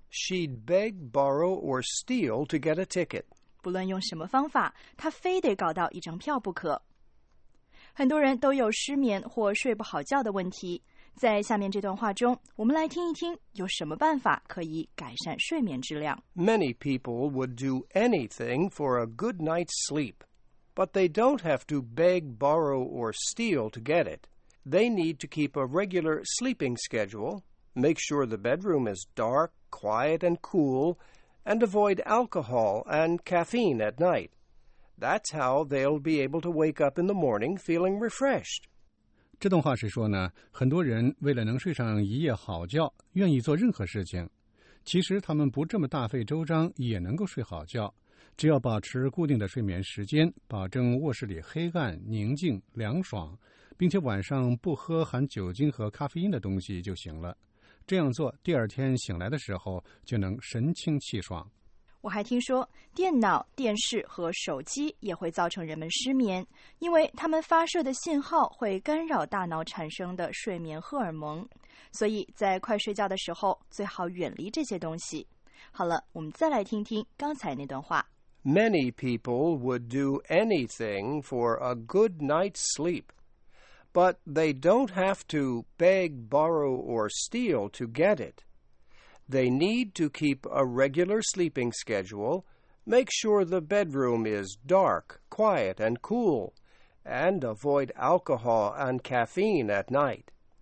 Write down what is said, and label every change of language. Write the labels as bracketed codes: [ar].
[en] She'd beg, borrow, or steal to get a ticket. [zh] 不论用什么方法，他非得搞到一张票不可。很多人都有失眠或睡不好觉的问题，在下面这段话中，我们来听一听有什么办法可以改善睡眠质量。 [en] Many people would do anything for a good night's sleep, but they don't have to beg, borrow, or steal to get it. They need to keep a regular sleeping schedule, make sure the bedroom is dark, quiet, and cool, and avoid alcohol and caffeine at night. That's how they'll be able to wake up in the morning feeling refreshed. [zh] 这段话是说呢，很多人为了能睡上一夜好觉，愿意做任何事情。其实他们不这么大费周章也能够睡好觉，只要保持固定的睡眠时间，保证卧室里黑暗、宁静、凉爽，并且晚上不喝含酒精和咖啡因的东西就行了。这样做，第二天醒来的时候就能神清气爽。我还听说，电脑、电视和手机也会造成人们失眠，因为它们发射的信号会干扰大脑产生的睡眠荷尔蒙，所以在快睡觉的时候最好远离这些东西。好了，我们再来听听刚才那段话。 [en] Many people would do anything for a good night's sleep, but they don't have to beg, borrow, or steal to get it. They need to keep a regular sleeping schedule, make sure the bedroom is dark, quiet, and cool, and avoid alcohol and caffeine at night.